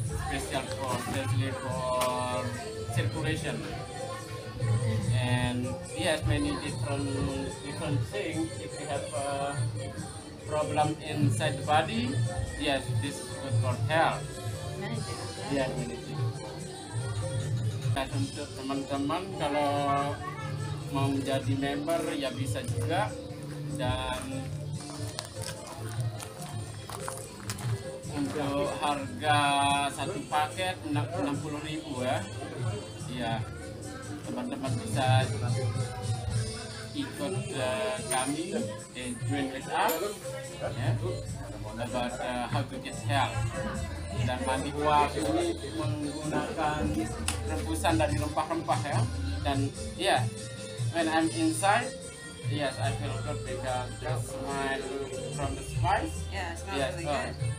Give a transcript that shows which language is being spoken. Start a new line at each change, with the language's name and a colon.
English: Especially for circulation. And yes, many different things. If you have a problem inside the body, yes, this is good for health. Many things. Yeah, many things.
Indonesian: dan untuk teman-teman kalau mau menjadi member ya bisa juga. Dan untuk harga satu paket 60.000 ya. Ya teman-teman bisa ikut kami dan
English: join with us
Indonesian: ya.
English: About how to get help.
Indonesian: Dan mandi uap ini menggunakan rebusan dari rempah-rempah ya.
English: Dan yeah, when I'm inside, yes, I feel good because the smell from the spice. Yeah, it smells yes, really good.